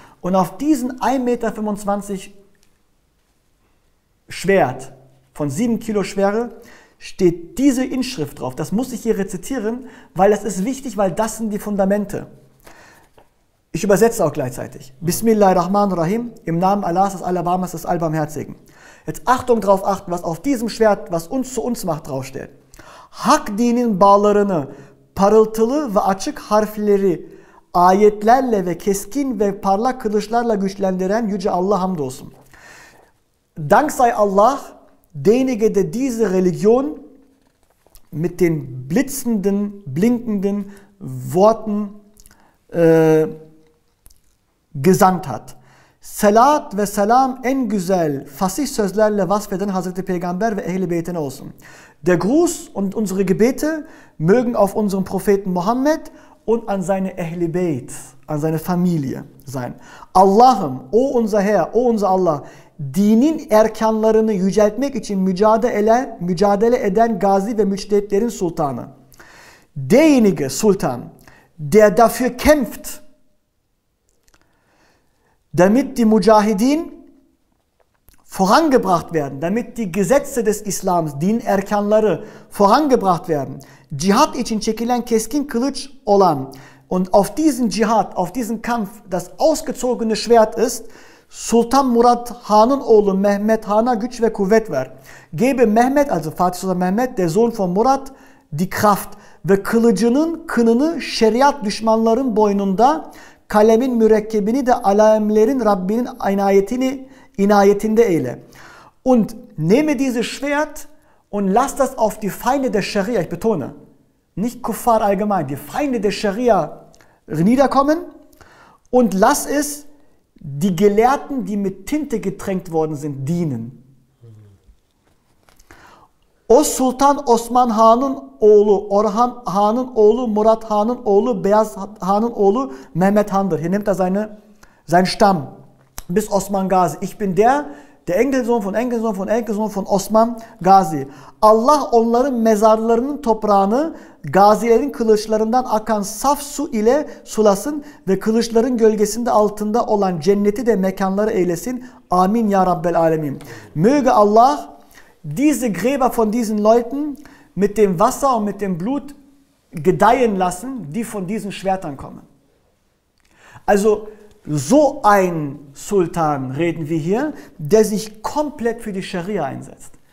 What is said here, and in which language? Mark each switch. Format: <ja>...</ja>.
<de>Und auf diesen 1,25 Meter Schwert von 7 Kilo Schwere steht diese Inschrift drauf. Das muss ich hier rezitieren, weil das ist wichtig, weil das sind die Fundamente. Ich übersetze auch gleichzeitig. Bismillahirrahmanirrahim, im Namen Allahs, des Allerbarmers, des Allbarmherzigen. Jetzt Achtung drauf achten, was auf diesem Schwert, was uns zu uns macht, draufsteht.</de> <tr>Hak dinin bağlarını parıltılı ve açık harfleri ayetlerle ve keskin ve parlak kılıçlarla güçlendiren Yüce Allah hamdolsun.</tr> <de>Dank sei Allah, derjenige, der diese Religion mit den blitzenden, blinkenden Worten gesandt hat.</de> <tr>Salat ve selam en güzel, fasih sözlerle vasfeden Hazreti Peygamber ve Ehl-i Beyt'ine olsun.</tr> <de>Der Gruß und unsere Gebete mögen auf unseren Propheten Mohammed und an seine Ehl-i Beyt, an seine Familie sein.</de> <tr>Allah'ım,</tr> <de>o unser Herr, o unser Allah,</de> <tr>dinin erkanlarını yüceltmek için mücadele eden gazi ve müçtehitlerin sultanı.</tr> <de>Derjenige Sultan, der dafür kämpft, damit die Mujahidin vorangebracht werden, damit die Gesetze des Islams,</de> <tr>din erkanları</tr> <de>vorangebracht werden,</de> <tr>Cihad için çekilen keskin kılıç olan</tr> <de>und auf diesen Cihad, auf diesen Kampf das ausgezogene Schwert ist,</de> <tr>Sultan Murat Han'ın oğlu Mehmet Han'a güç ve kuvvet ver.</tr> <de>Gebe Mehmet, also Fatih Sultan Mehmet, der Sohn von Murat, die Kraft</de> <tr>ve kılıcının kınını şeriat düşmanların boynunda, kalemin mürekkebini de alemlerin Rabbinin inayetinde eyle.</tr> <de>Und nehme dieses Schwert und lass das auf die Feinde der Scharia, ich betone, nicht Kuffar allgemein, die Feinde der Scharia niederkommen und lass es die Gelehrten, die mit Tinte getränkt worden sind, dienen.</de> <tr>O Sultan Osman Han'ın oğlu, Orhan Han'ın oğlu, Murat Han'ın oğlu, Beyaz Han'ın oğlu Mehmet Han'dır.</tr> <de>Hier nimmt er seinen Stamm bis Osman Gazi. Ich bin der Enkelsohn von Enkelsohn von Enkelsohn von Osman Gazi.</de> <tr>Allah onların mezarlarının toprağını gazilerin kılıçlarından akan saf su ile sulasın ve kılıçların gölgesinde altında olan cenneti de mekanları eylesin.</tr> <ar>Amin ya Rabbel Alemin.</ar> <de>Möge Allah diese Gräber von diesen Leuten mit dem Wasser und mit dem Blut gedeihen lassen, die von diesen Schwertern kommen. Also so ein Sultan reden wir hier, der sich komplett für die Scharia einsetzt.</de>